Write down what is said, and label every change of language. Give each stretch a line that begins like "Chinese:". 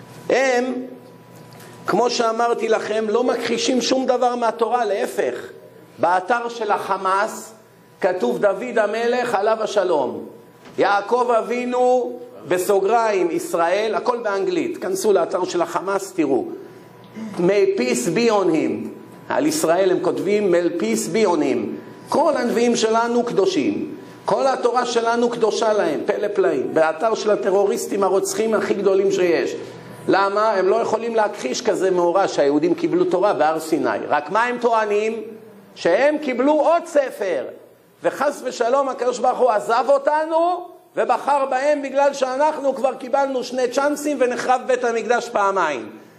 Hebrew: הם, כמו שאמרתי לכם, לא מכחישים שום דבר מהתורה, להפך. באתר של החמאס כתוב דוד המלך עליו השלום. יעקב אבינו בסוגריים ישראל, הכל באנגלית. כנסו לאתר של החמאס, תראו.
English: May peace be on him.
Hebrew: על ישראל הם כותבים
English: May peace be on him.
Hebrew: כל הנביאים שלנו קדושים. כל התורה שלנו קדושה להם, פלא פלאים. באתר של הטרוריסטים הרוצחים הכי גדולים שיש. למה? הם לא יכולים להכחיש כזה מאורע שהיהודים קיבלו תורה בהר סיני. רק מה הם טוענים? שהם קיבלו עוד ספר. וחס ושלום הקדוש ברוך הוא עזב אותנו ובחר בהם בגלל שאנחנו כבר קיבלנו שני צ'אנסים ונחרב בית המקדש פעמיים.